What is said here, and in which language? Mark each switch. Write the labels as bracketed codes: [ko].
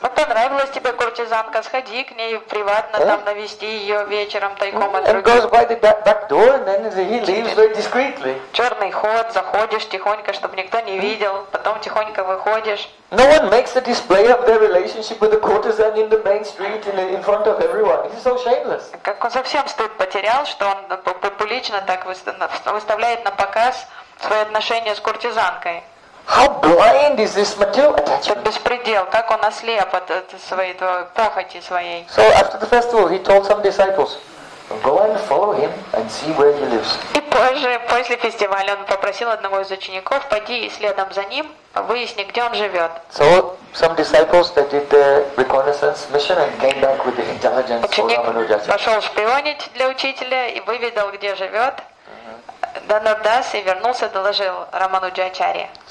[ru] Вот понравилась тебе куртизанка, сходи к ней приватно, там навести ее вечером тайком от других. [en] And goes by the back door, and then he leaves very discreetly. [ru] Черный ход, заходишь тихонько, чтобы никто не видел, потом тихонько выходишь. [en] No one makes a display of their relationship with a courtesan in the main street in front of everyone. This is so shameless. [ru] Как он совсем стыд потерял, что он публично так выставляет на показ свои отношения с куртизанкой. [en] How blind is this material attachment? [ru] Это беспредел. Как он ослеп от своей похоти своей. [en] So after the festival, he told some disciples, go and follow him and see where he lives. [ru] И позже, после фестиваля, он попросил одного из учеников пойти следом за ним, выясни, где он живет. [en] So some disciples that did the reconnaissance mission and came back with the intelligence. [ru] Ученик пошел шпионить для учителя и выведал, где живет Данардас, и вернулся, доложил Рамануджачари.